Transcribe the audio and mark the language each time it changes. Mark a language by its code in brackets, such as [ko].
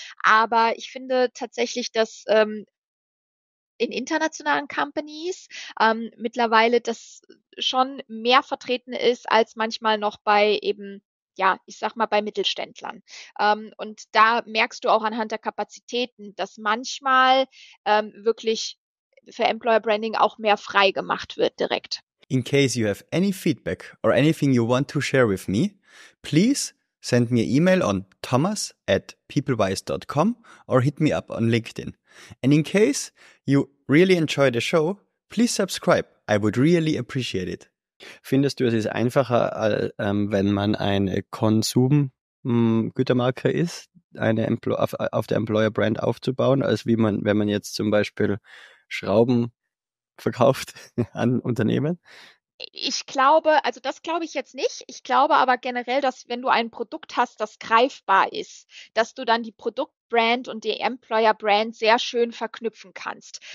[de] Aber ich finde tatsächlich, dass in internationalen Companies mittlerweile das schon mehr vertreten ist als manchmal noch bei eben, ja, ich sag mal bei Mittelständlern. Und da merkst du auch anhand der Kapazitäten, dass manchmal wirklich für Employer Branding auch mehr frei gemacht wird direkt. [en] In case you have any feedback or anything you want to share with me, please send me an email on thomas@peoplewise.com or hit me up on LinkedIn. And in case you really enjoy the show, please subscribe. I would really appreciate it. [de] Findest du, es ist einfacher, wenn man eine Konsumgütermarke ist, eine auf der Employer Brand aufzubauen, als wenn man jetzt zum Beispiel Schrauben verkauft an Unternehmen? Das glaube ich jetzt nicht. Ich glaube aber generell, dass wenn du ein Produkt hast, das greifbar ist, dass du dann die Produktbrand und die Employer-Brand sehr schön verknüpfen kannst.